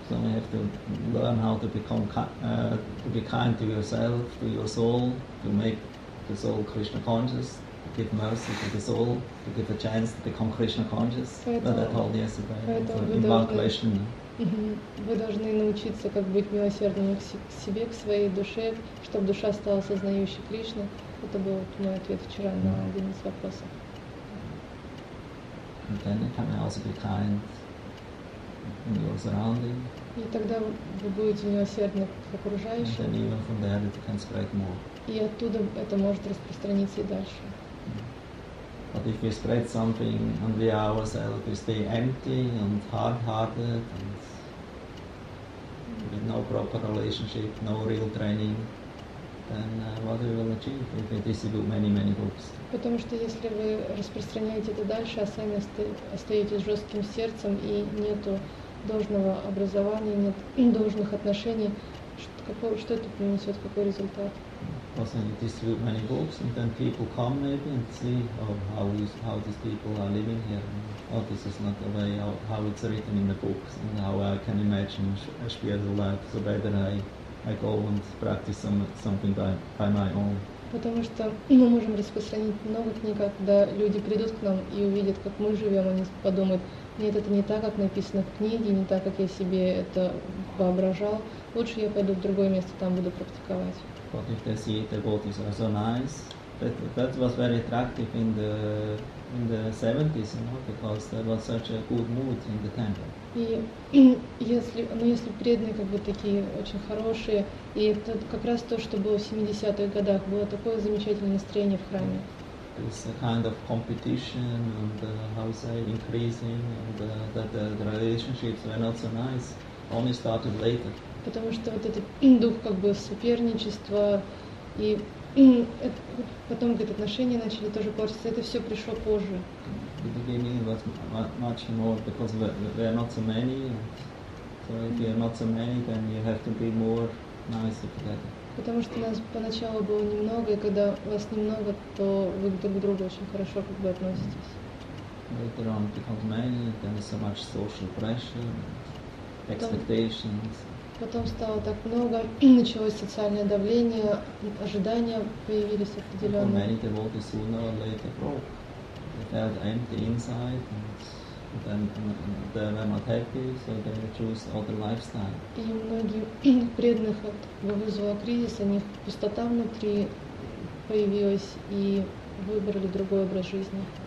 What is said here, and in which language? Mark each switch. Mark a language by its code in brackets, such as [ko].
[en] So we have to learn how to become to be kind to yourself, to your soul, to make the soul Krishna conscious. Give mercy to the soul, to give a chance to become Krishna conscious. [ru] Поэтому, [en] that I told yesterday. In one question. [ru] Вы должны научиться как быть милосердными к себе, к своей душе, чтобы душа стала сознающей Кришну. Это был мой ответ вчера на один из вопросов. [en] And then can I also be kind in your surrounding? [ru] И тогда вы будете милосердны к окружающим. [en] And even from there it can spread more. [ru] И оттуда это может распространиться и дальше. [en] But if we spread something and we ourselves, we stay empty and hard-hearted and with no proper relationship, no real training, then what we will achieve if we distribute many, many books? [ru] Потому что если вы распространяете это дальше, а сами остаетесь жестким сердцем и нету должного образования, нет должных отношений, что это принесет, какой результат? [en] Also, you distribute many books, and then people come maybe and see how these people are living here. Oh, this is not the way how it's written in the books, and how I can imagine a spiritual life. So better I go and practice something by my own. [ru] Потому что мы можем распространить много книг, когда люди придут к нам и увидят, как мы живем, они подумают: нет, это не так, как написано в книге, не так, как я себе это воображал. Лучше я пойду в другое место, там буду практиковать. [en] But if they see the devotees are so nice, that was very attractive in the 70s, you know, because there was such a good mood in the temple. [ru] И если преданные как бы такие очень хорошие, и это как раз то, что было в 70-х годах, было такое замечательное настроение в храме. [en] It's a kind of competition and how to say increasing, and that the relationships were not so nice. Only started later. [ru] Потому что вот этот дух как бы соперничества и потом эти отношения начали тоже портиться. Это все пришло позже. [en] The beginning was much more because there are not so many. So if you are not so many, then you have to be more nicer for that. [ru] Потому что нас поначалу было немного, и когда вас немного, то вы друг к другу очень хорошо как бы относитесь. [en] Later on, becomes many, then so much social pressure, expectations. [ru] Потом стало так много, началось социальное давление, ожидания появились определенные. [en] Many devotees sooner or later broke. They felt empty inside, and then they were not happy, so they chose other lifestyle. [ru] И многие преданных вызвало кризис, у них пустота внутри появилась, и выбрали другой образ жизни.